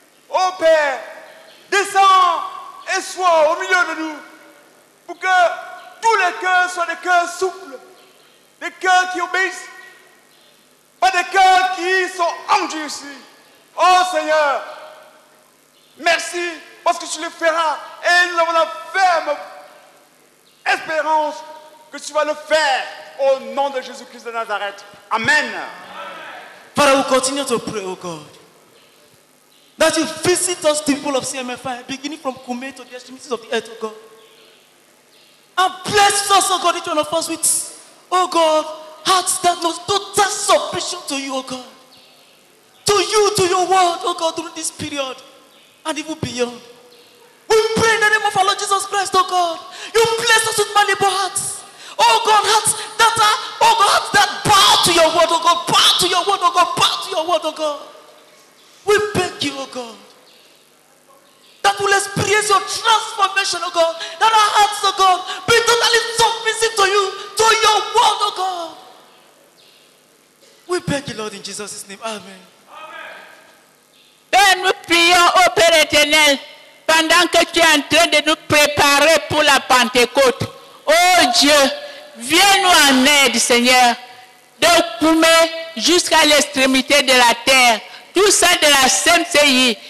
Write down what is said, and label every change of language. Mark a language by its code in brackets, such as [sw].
[fr] Ô Père, descends et sois au milieu de nous pour que tous les cœurs soient des cœurs souples, des cœurs qui obéissent, pas des cœurs qui sont endurcis. Ô Seigneur, merci parce que tu le feras et nous avons la ferme espérance que tu vas le faire au nom de Jésus-Christ de Nazareth. Amen. Amen. [en] Father, we continue to pray, oh God, that you visit us, the people of CMFI, beginning from Kume to the extremities of the earth, oh God. And bless us, oh God, each one of us with, oh God, hearts that know total submission to you, oh God. To you, to your word, oh God, during this period and even beyond. We pray in the name of our Lord Jesus Christ, oh God. You bless us with malleable hearts. Oh God, hearts that are, oh God, hearts that bow to your word, oh God, bow to your word, oh God, bow to your word, oh God. We beg you, oh God, that we'll experience your transformation, oh God, that our hearts, oh God, be totally submissive to you, to your word, oh God. We beg you, Lord, in Jesus' name. Amen. Amen. [fr] Père, nous prions au Père éternel, pendant que tu es en train de nous préparer pour la Pentecôte. Oh Dieu, viens-nous en aide, Seigneur, de Koumé jusqu'à l'extrémité de la terre, tout ça de la CMCI.